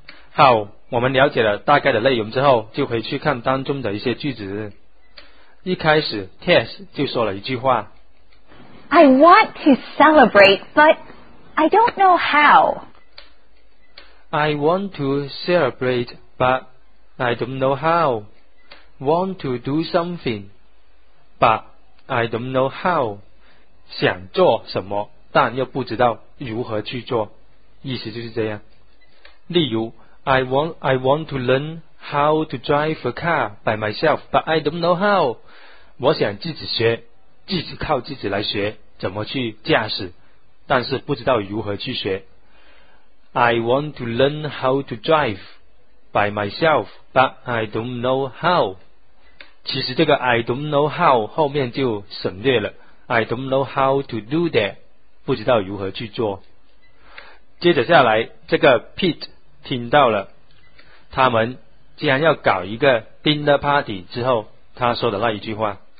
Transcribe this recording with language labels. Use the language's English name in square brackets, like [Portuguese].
[Chinese] 好，我们了解了大概的内容之后，就回去看当中的一些句子。一开始 Tess 就说了一句话， [English] I want to celebrate, but I don't know how. I want to celebrate, but I don't know how. Want to do something, but I don't know how. [Chinese] 想做什么，但又不知道如何去做。意思就是这样。例如 [English] I want to learn how to drive a car by myself, but I don't know how. [Chinese] 我想自己学，自己靠自己来学怎么去驾驶，但是不知道如何去学。 [English] I want to learn how to drive by myself, but I don't know how. [Chinese] 其实这个 [English] I don't know how [Chinese] 后面就省略了 [English] I don't know how to do that， [Chinese] 不知道如何去做。接着下来这个 Pete 听到了他们既然要搞一个 [English] dinner party [Chinese] 之后，他说的那一句话，